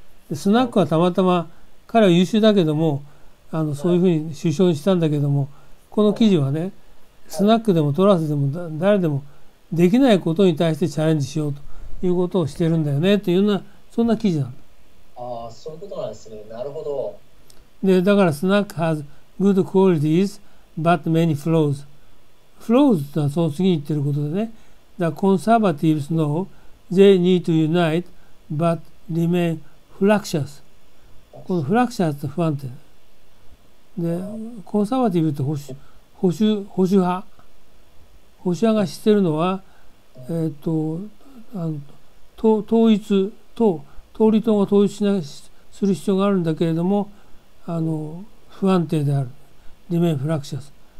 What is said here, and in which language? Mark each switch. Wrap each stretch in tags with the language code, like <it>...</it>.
<ja>でスナックはたまたま彼は優秀だけども、そういうふうに首相にしたんだけども、この記事はねスナックでもトラスでも誰でもできないことに対してチャレンジしようということをしてるんだよねというような、そんな記事なんだ。ああそういうことなんですね、なるほど。でだから</ja> <en>スナック has good qualities but many flaws。 flaws</en> <ja>ってのはその次に言ってることでね、</ja> <en>The conservatives know they need to unite but remain fractious。</en> <ja>この fractious って不安定で、コンサバティブって保守派。保守派が知ってるのは統一党が統一しなする必要があるんだけれども、不安定である、</ja> <en>remain fractious。</en>